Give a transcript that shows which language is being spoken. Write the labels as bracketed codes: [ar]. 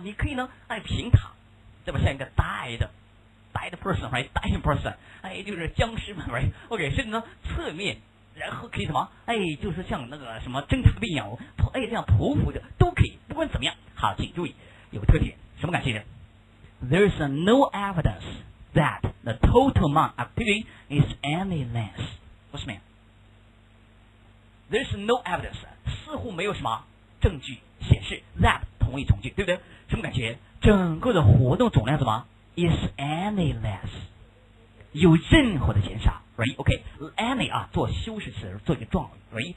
[zh] 你可以呢，哎，平躺，对吧？像一个呆的 person， right？呆的 person， 哎，就是僵尸们 ，right？ OK， 甚至呢，侧面，然后可以什么？哎，就是像那个什么侦察兵一样，哎，这样匍匐的都可以，不管怎么样。好，请注意有特点，什么感觉？ [en] There is no evidence that the total amount of activity is any less. What's mean? There is no evidence. [zh] 似乎没有什么证据显示 that 同一从句，对不对？什么感觉？整个的活动总量怎么 [en] is any less? [zh] 有任何的减少 ？Right? OK. Any 啊，做修饰词，做一个状语 ，right?